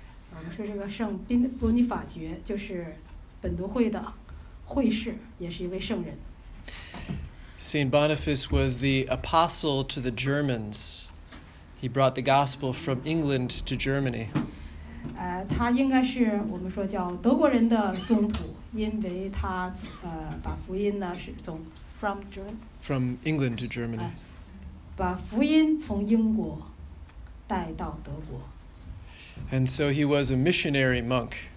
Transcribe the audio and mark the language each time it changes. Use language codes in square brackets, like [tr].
[zh] 我们说这个圣宾尼法爵就是本都会的 会士也是一位圣人。 [en] Saint Boniface was the apostle to the Germans. He brought the gospel from England to Germany. [zh] 他应该是我们说叫德国人的宗徒，因为他把福音呢是从 [en] from England to Germany. [zh] 把福音从英国带到德国。 [en] And so he was a missionary monk.